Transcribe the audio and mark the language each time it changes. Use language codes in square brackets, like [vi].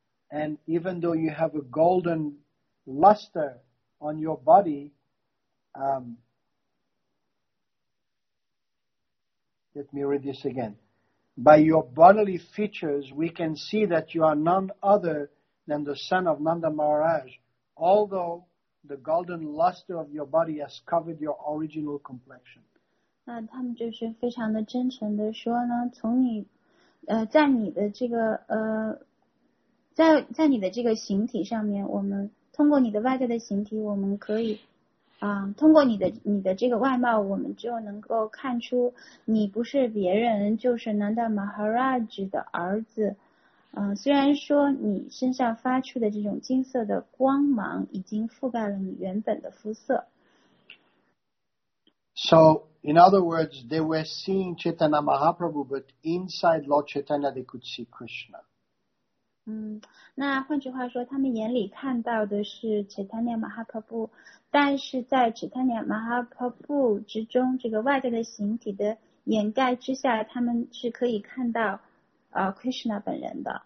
[en] And even though you have a golden luster on your body, let me read this again. By your bodily features, we can see that you are none other than the son of Nanda Maharaj, although the golden luster of your body has covered your original complexion. [zh] 那他们就是非常的真诚的说呢，从你，在你的这个在你的这个形体上面，我们通过你的外在的形体，我们可以，通过你的这个外貌，我们就能够看出你不是别人，就是Nanda Maharaj的儿子。虽然说你身上发出的这种金色的光芒已经覆盖了你原本的肤色。 [en] So, in other words, they were seeing Chaitanya Mahaprabhu, but inside Lord Chaitanya, they could see Krishna. [zh] 那换句话说，他们眼里看到的是 Chaitanya Mahaprabhu， 但是在 Chaitanya Mahaprabhu 之中，这个外在的形体的掩盖之下，他们是可以看到Krishna 本人的。